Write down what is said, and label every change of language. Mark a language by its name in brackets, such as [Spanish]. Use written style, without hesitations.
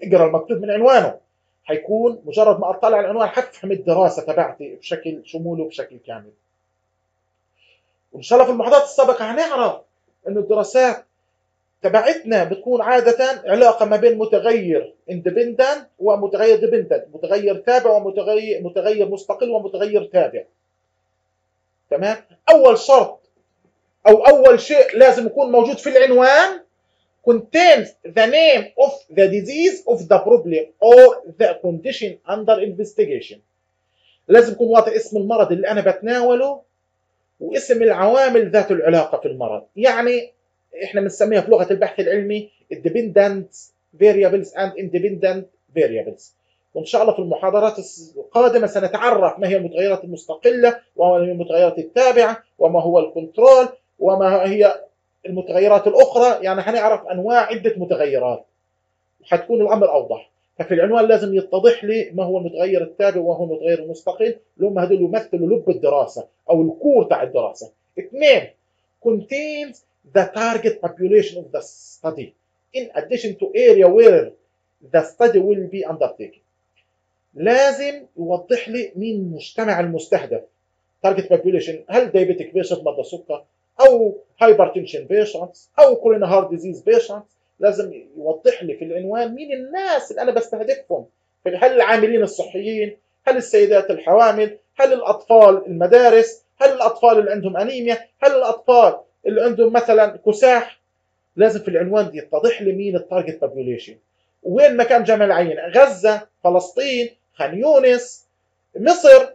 [Arabic] اقرأ المكتوب من عنوانه، حيكون مجرد ما أطلع العنوان حتفهم الدراسة تبعتي بشكل شمولي وبشكل كامل. وإن شاء الله في المحاضرات السابقة هنعرف أن الدراسات تبعتنا بتكون عادة علاقة ما بين متغير independent ومتغير dependent، متغير تابع ومتغير مستقل ومتغير تابع. تمام؟ أول شرط أو أول شيء لازم يكون موجود في العنوان [English] contains the name of the disease of the problem or the condition under investigation. [Arabic] لازم يكون واضح اسم المرض اللي أنا بتناوله واسم العوامل ذات العلاقة في المرض. يعني إحنا بنسميها في لغة البحث العلمي [English] Dependent Variables and Independent Variables. [Arabic] وإن شاء الله في المحاضرات القادمة سنتعرف ما هي المتغيرات المستقلة وما هي المتغيرات التابعة وما هو الكنترول وما هي المتغيرات الأخرى. يعني هنعرف أنواع عدة متغيرات حتكون الأمر أوضح. ففي العنوان لازم يتضح لي ما هو المتغير التابع وهو المتغير المستقل، لهم هذول يمثلوا لب الدراسة أو الكور تاع الدراسة. [English] اثنين، contains the target population of the study in addition to area where the study will be undertaken. [Arabic] لازم يوضح لي مين المجتمع المستهدف. [English] target population، هل diabetic patients [Arabic] مرضى السكر [English] أو hypertension patients أو coronary heart disease patients. [Arabic] لازم يوضح لي في العنوان مين الناس اللي أنا بستهدفهم. هل العاملين الصحيين؟ هل السيدات الحوامل؟ هل الأطفال المدارس؟ هل الأطفال اللي عندهم أنيميا؟ هل الأطفال اللي عندهم مثلا كساح؟ لازم في العنوان دي يتضح لي مين التارجت بابوليشن، وين مكان جمع العينة؟ غزة، فلسطين، خان يونس، مصر.